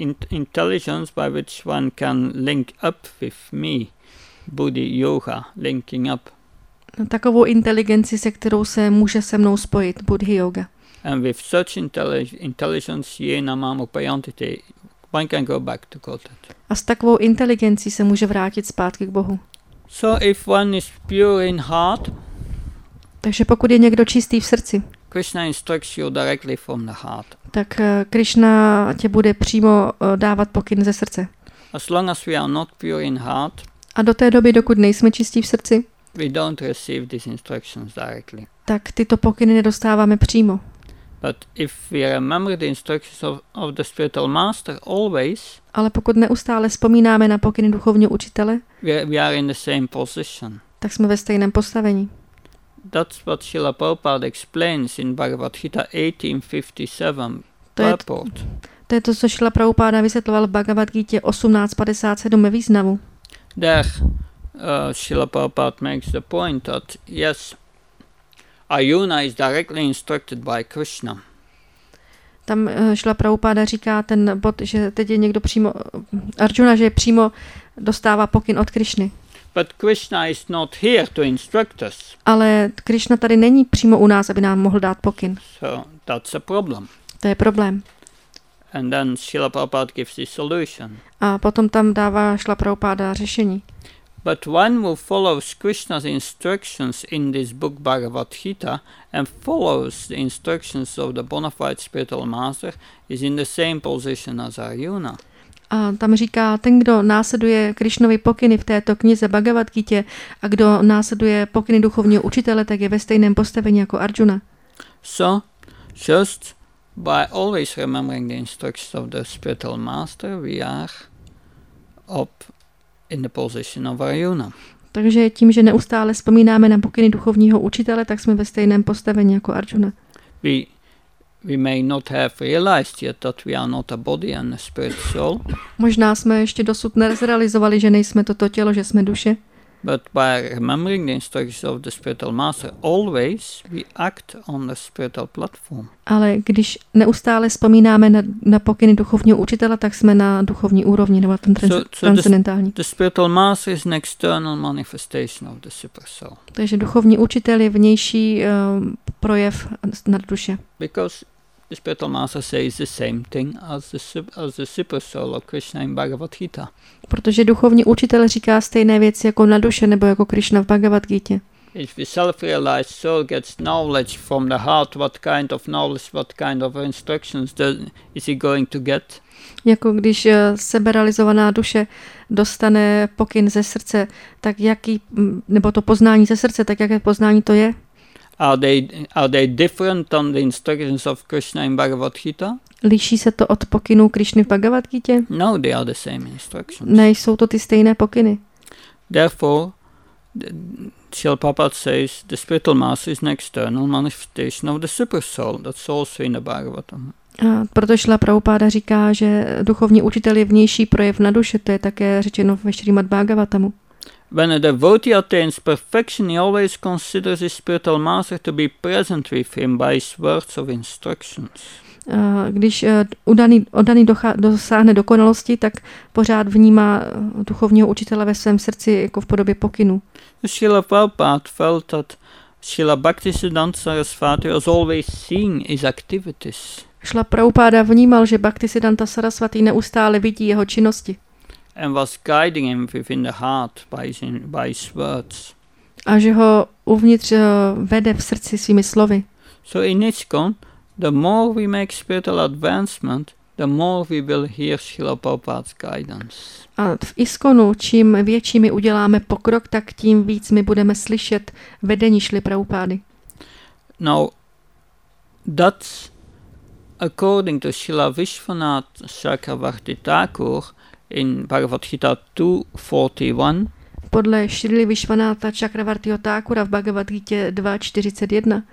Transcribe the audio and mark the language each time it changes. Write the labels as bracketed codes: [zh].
[en] Intelligence by which one can link up with me, buddhi yoga, linking up. [cs] Takovou inteligenci, se kterou se může se mnou spojit, buddhi yoga. [en] And with such intelligence, [sa] yenamam upayantite, [en] one can go back to Godhead. [cs] A s takovou inteligencí se může vrátit zpátky k Bohu. [en] So if one is pure in heart, [cs] takže pokud je někdo čistý v srdci, [en] Krishna instructs you directly from the heart. [cs] Tak Krishna tě bude přímo dávat pokyn ze srdce. [en] As long as we are not pure in heart, [cs] a do té doby, dokud nejsme čistí v srdci, [en] we don't receive these instructions directly. [cs] Tak tyto pokyny nedostáváme přímo. [en] But if we remember the instructions of the spiritual master always, [cs] ale pokud neustále vzpomínáme na pokyny duchovního učitele, [en] we are in the same position. [cs] Tak jsme ve stejném postavení. [en] That's what Srila Prabhupada explains in Bhagavad Gita 1857 purport. [cs] To je to, co Srila Prabhupada vysvětloval v Bhagavad Gita 1857 ve významu. [en] There Srila Prabhupada makes the point that yes, Arjuna is directly instructed by Krishna. [cs] Tam Srila Prabhupada říká ten bod, že teď je někdo přímo Arjuna, že přímo dostává pokyn od Krishny. [en] But Krishna is not here to instruct us. [cs] Ale Krishna tady není přímo u nás, aby nám mohl dát pokyn. [en] So that's a problem. [cs] To je problém. [en] And then Srila Prabhupada gives the solution. [cs] A potom tam dává Srila Prabhupada řešení. [en] But one who follows Krishna's instructions in this book Bhagavad Gita and follows the instructions of the bona fide spiritual master is in the same position as Arjuna. [cs] A tam říká, ten, kdo následuje Krišnovy pokyny v této knize Bhagavad Gita a kdo následuje pokyny duchovního učitele, tak je ve stejném postavení jako Arjuna. [en] So, just by always remembering the instructions of the spiritual master, we are up in the position of Arjuna. [cs] Takže tím, že neustále vzpomínáme na pokyny duchovního učitele, tak jsme ve stejném postavení jako Arjuna. [en] We may not have realized yet that we are not a body and a spirit soul. [cs] Možná jsme ještě dosud nezrealizovali, že nejsme toto tělo, že jsme duše. [en] But by remembering the instructions of the spiritual master, always we act on the spiritual platform. [cs] Ale když neustále vzpomínáme na pokyny duchovního učitele, tak jsme na duchovní úrovni, nebo transcendentální. [en] The spiritual master is an external manifestation of the super soul. [cs] Takže duchovní učitel je vnější projev nad duše. [en] Because the spiritual master says the same thing as the super soul of Krishna in Bhagavad Gita. [cs] Protože duchovní učitel říká stejné věci jako na duše nebo jako Krishna v Bhagavad Gita. [en] If the self-realized soul gets knowledge from the heart, what kind of knowledge, what kind of instructions is he going to get? [cs] Jako když seberealizovaná duše dostane pokyn ze srdce, tak jaký, nebo to poznání ze srdce, tak jaké poznání to je? [en] Are they different than the instructions of Krishna in Bhagavad Gita? [cs] Liší se to od pokynů Krishny v Bhagavad Gita? [en] No, they are the same instructions. [cs] Nejsou to ty stejné pokyny. [en] Therefore, Srila Prabhupada says the spiritual master is an external manifestation of the super soul. That's also in the Bhagavatam. [cs] A proto Srila Prabhupada říká, že duchovní učitel je vnější projev na duše, to je také řečeno ve Srimad Bhagavatamu. [en] When a devotee attains perfection, he always considers his spiritual master to be present with him by his words of instructions. [cs] Když oddaný dosáhne dokonalosti, tak pořád vnímá duchovního učitele ve svém srdci jako v podobě pokynu. [en] Srila Prabhupada felt that Srila Bhaktisiddhanta Sarasvati was always seeing his activities. [cs] Srila Prabhupada vnímal, že Bhaktisiddhanta Sarasvati neustále vidí jeho činnosti. [en] And was guiding him within the heart by his words. [cs] A že ho uvnitř vede v srdci svými slovy. [en] So in ISKCON, the more we make spiritual advancement, the more we will hear Srila Prabhupada's guidance. [cs] A v ISKCONu, čím větší my uděláme pokrok, tak tím víc my budeme slyšet vedení Srila Prabhupády. [en] Now, that's according to Srila Vishwanath Chakravarti Thakur, in Bhagavad Gita 2.41. [cs] Podle Shrili Vishwanatha Chakravartiho Thakura v Bhagavad Gita 2.41.